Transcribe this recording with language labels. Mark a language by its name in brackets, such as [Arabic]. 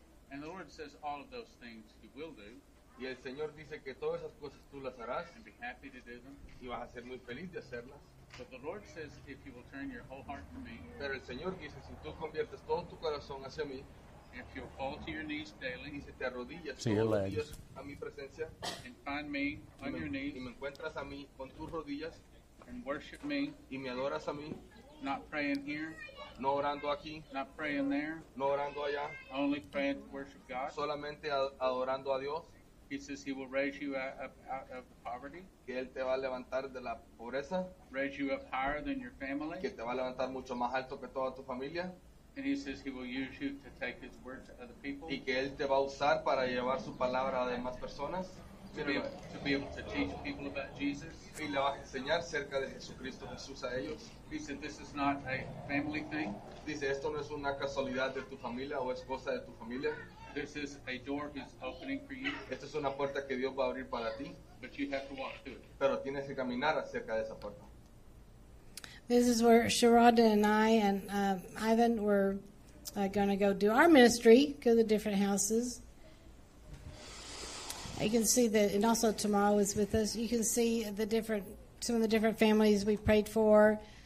[English] And the Lord says all of those things you will do. [Spanish] Y el Señor dice que todas esas cosas tú las harás. [English] And be happy to do them. [Spanish] Y vas a ser muy feliz de hacerlas. [English] But the Lord says if you will turn your whole heart to me. [Spanish] Pero el Señor dice si tú conviertes todo tu corazón hacia mí. [English] If you fall to your knees daily. [Spanish] Y si te arrodillas todos los días a mi presencia. [English] And find me on your knees. [Spanish] Y me encuentras a mí con tus rodillas. [English] And worship me. [Spanish] Y me adoras a mí. [English] Not praying here. [Spanish] No orando aquí. [English] Not praying there. [Spanish] No orando allá. [English] Only praying to worship God. [Spanish] Solamente adorando a Dios. [English] He says he will raise you out of the poverty. [Spanish] Que él te va a levantar de la pobreza. [English] Raise you up higher than your family. [Spanish] Que te va a levantar mucho más alto que toda tu familia. [English] And he says he will use you to take his word to other people. [Spanish] Y que él te va a usar para llevar su palabra a demás personas. [English] To be able to teach people about Jesus. [Spanish] Y le vas a enseñar acerca de Jesucristo Jesús a ellos. [English] He said this is not a family thing. [Spanish] Dice esto no es una casualidad de tu familia o es cosa de tu familia. [English] This is a door he's opening for you. [Spanish] Esta es una puerta que Dios va a abrir para ti. [English] But you have to walk through it. [Spanish] Pero tienes que caminar acerca de esa puerta. [English] This is where Sharonda and I and Ivan were going to go do our ministry, go to the different houses. You can see that, and also Tamara was with us. You can see the different, some of the different families we prayed for.